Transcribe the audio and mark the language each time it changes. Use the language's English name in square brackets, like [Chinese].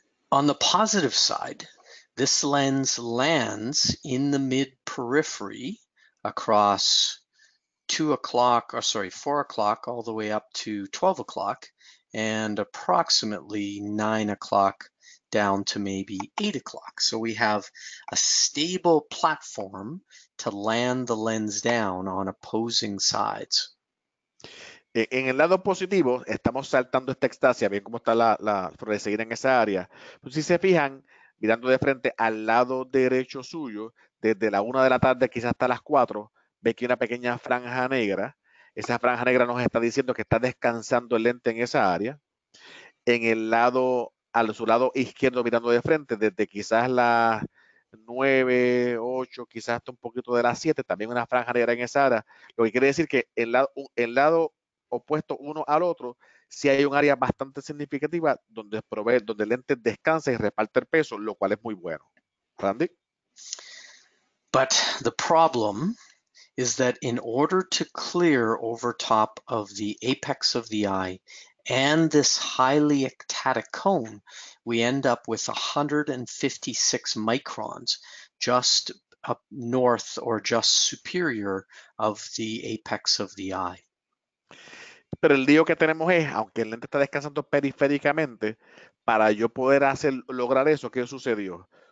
[English] On the positive side, this lens lands in the mid periphery across 2 o'clock, or sorry, 4 o'clock, all the way up to 12 o'clock, and approximately 9 o'clock down to maybe 8 o'clock. So we have a stable platform to land the lens down on opposing sides. [Spanish] En el lado positivo, estamos saltando esta ectasia, bien como está la fluorescencia en esa área. Pues si se fijan, mirando de frente al lado derecho suyo, desde la 1 de la tarde quizás hasta las 4, ve que hay una pequeña franja negra. Esa franja negra nos está diciendo que está descansando el lente en esa área. En el lado, a su lado izquierdo, mirando de frente, desde quizás las 9, 8, quizás hasta un poquito de las 7, también una franja negra en esa área. Lo que quiere decir que el lado opuesto uno al otro, si hay un área bastante significativa donde el lente descansa y reparte el peso, lo cual es muy bueno. [English] Randy. But the problem is that in order to clear over top of the apex of the eye and this highly ectatic cone, we end up with 156 microns just up north or just superior of the apex of the eye. [Spanish] Pero el lío que tenemos es, aunque el lente está descansando periféricamente, para yo poder lograr eso, ¿qué sucedió?